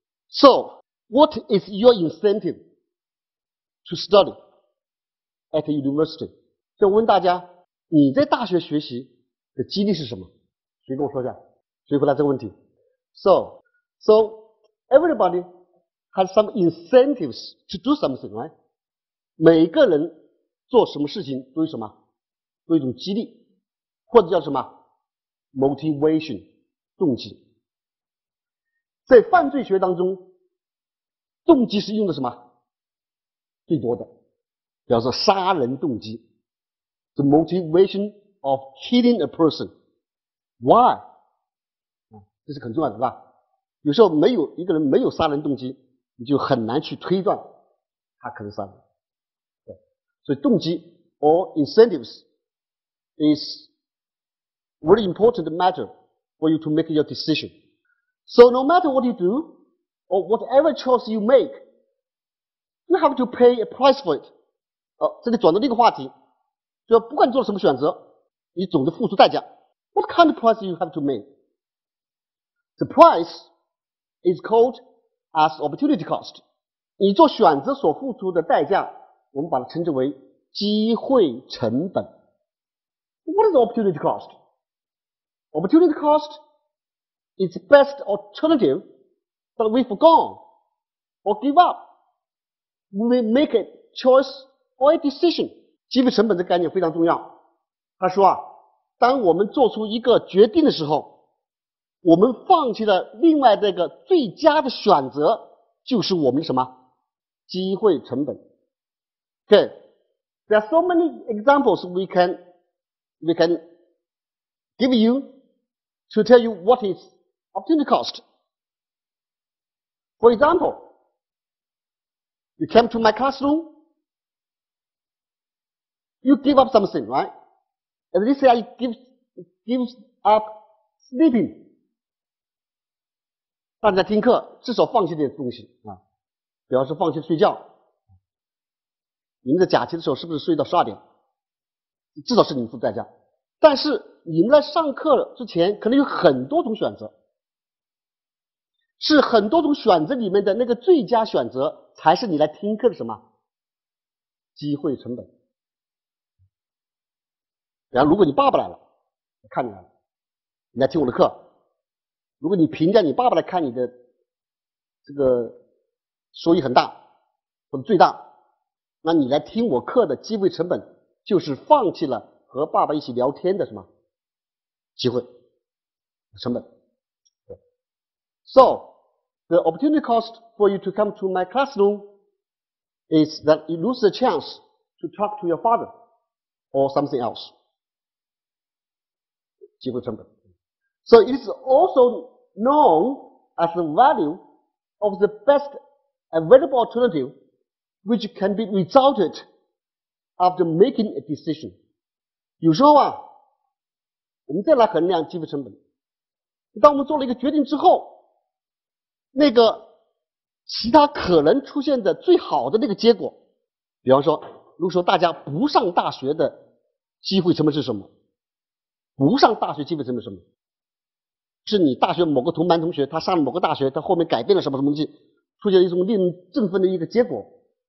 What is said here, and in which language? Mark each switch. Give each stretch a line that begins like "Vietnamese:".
English: So, what is your incentive to study at a university?
Chinese: 就问大家，你在大学学习的激励是什么？谁跟我说一下？谁回答这个问题？
English: So, everybody has some incentives to do something, right?
Chinese: 每个人做什么事情都有什么？都有一种激励。或者叫什么 motivation 动机。在犯罪学当中，动机是用的什么最多的，表示杀人动机，
English: the motivation of killing a person. Why?
Chinese: 这是很重要的，是吧？有时候没有一个人没有杀人动机，你就很难去推断他可能杀人。对，所以动机
English: or incentives isvery important matter for you to make your decision. So no matter what you do, or whatever choice you make, you have to pay a price for it.
Chinese: 这里转到另一个话题，就不管你做了什么选择，你总得付出代价。
English: What kind of price you have to make? The price is called as opportunity cost.
Chinese: 你做选择所付出的代价，我们把它称之为机会成本。
English: What is opportunity cost? Opportunity cost is the best alternative that we forgone or give up. We make a choice or a decision.
Chinese: 机会成本的概念非常重要。他说啊，当我们做出一个决定的时候，我们放弃了另外这个最佳的选择，就是我们什么机会成本。
English: Okay, there are so many examples we can give you. To tell you what is opportunity cost. For example, you came to my classroom, you give up something, right? And this year you give up sleeping.
Chinese: 大家在听课至少放弃点东西啊，比方说放弃睡觉，你们在假期的时候是不是睡到12点，至少是你们付代价。但是你们在上课之前可能有很多种选择，是很多种选择里面的那个最佳选择才是你来听课的什么机会成本。然后如果你爸爸来了看你来了，你来听我的课，如果你评价你爸爸来看你的这个收益很大或者最大，那你来听我课的机会成本就是放弃了和爸爸一起聊天的什么机会成本。
English: So the opportunity cost for you to come to my classroom is that you lose the chance to talk to your father or something else.
Chinese: 机会成本。
English: So it's also known as the value of the best available alternative which can be resulted after making a decision.
Chinese: 有时候啊，我们再来衡量机会成本，当我们做了一个决定之后，那个其他可能出现的最好的那个结果，比方说如果说大家不上大学的机会成本是什么，不上大学机会成本是什么，是你大学某个同班同学他上了某个大学，他后面改变了什么什么东西，出现了一种令人振奋的一个结果。